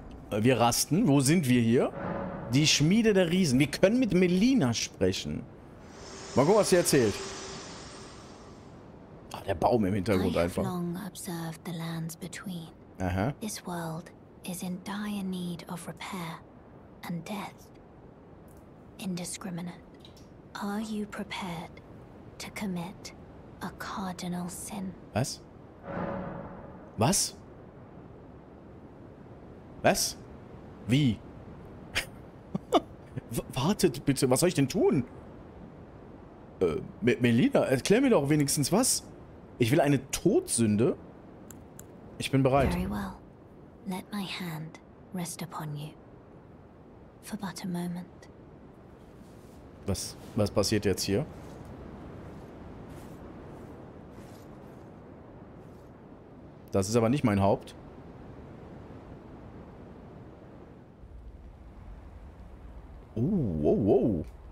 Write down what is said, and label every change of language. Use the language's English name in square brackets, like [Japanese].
[German] Wir rasten. Wo sind wir hier? Die Schmiede der Riesen. Wir können mit Melina sprechen. Mal gucken, was sie erzählt. Ach, der Baum im Hintergrund einfach. Ich habe lange [English] observed the lands between. Aha. This world is in dire need of repair and death. Indiscriminate. Are you prepared to commit a cardinal sin? [German] Was? Was? Was? Wie? Wartet bitte, was soll ich denn tun? Melina, erklär mir doch wenigstens was. Ich will eine Todsünde. Ich bin bereit. [English] Very well. Let my hand rest upon you. For but a moment. [German] Was passiert jetzt hier? Das ist aber nicht mein Haupt. wow.